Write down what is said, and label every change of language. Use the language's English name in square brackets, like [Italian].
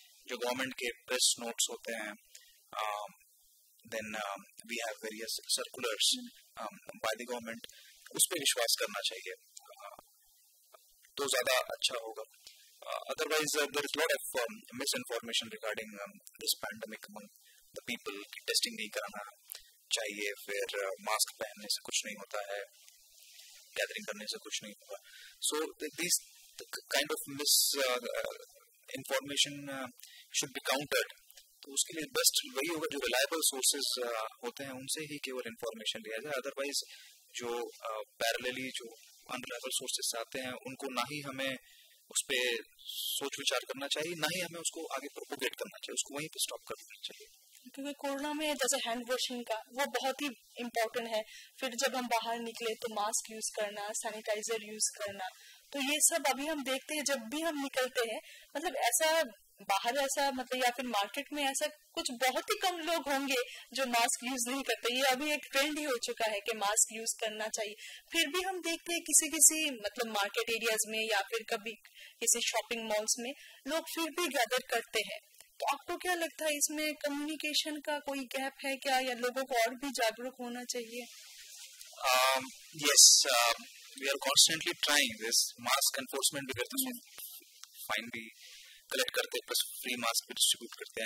[Hindi] जो गवर्नमेंट के press notes होते हैं, [English] then we have various circulars by the government. [Hindi] उस पे विश्वास करना चाहिए तो ज्यादा अच्छा होगा. [English] Otherwise, there is a lot of misinformation regarding this pandemic among the people. [Hindi] Testing नहीं कराना चाहिए, फिर mask पहनने से कुछ नहीं होता है, gathering करने से कुछ नहीं होगा. [English] So these kind of misinformation should be countered. [Hindi] तो उसके लिए बेस्ट वही होगा जो रिलायबल सोर्सेज होते हैं उनसे ही केवल इन्फॉर्मेशन लिया जाए. अदरवाइज जो पैरेलली जो अनरिलायबल सोर्सेज आते हैं उनको ना ही हमें उस पर सोच विचार करना चाहिए, ना ही हमें उसको आगे प्रोपोगेट करना चाहिए, उसको वहीं पे स्टॉप कर देना चाहिए. क्योंकि कोरोना में जैसे हैंड वॉशिंग का वो बहुत ही इम्पोर्टेंट है, फिर जब हम बाहर निकले तो मास्क यूज करना, सैनिटाइजर यूज करना, तो ये सब अभी हम देखते हैं जब भी हम निकलते हैं. मतलब ऐसा बाहर ऐसा मतलब या फिर मार्केट में ऐसा कुछ बहुत ही कम लोग होंगे जो मास्क यूज नहीं करते. ये अभी एक ट्रेंड ही हो चुका है कि मास्क यूज करना चाहिए, फिर भी हम देखते हैं किसी किसी मतलब मार्केट एरियाज में या फिर कभी किसी शॉपिंग मॉल्स में लोग फिर भी गैदर करते हैं. तो आपको क्या लगता है इसमें कम्युनिकेशन का कोई गैप है क्या या लोगों को और भी जागरूक होना चाहिए? [English] yes, we are constantly trying this mask enforcement because this one finally [Hindi] collect करते हैं, प्लस फ्री मास्क भी डिस्ट्रीब्यूट करते हैं।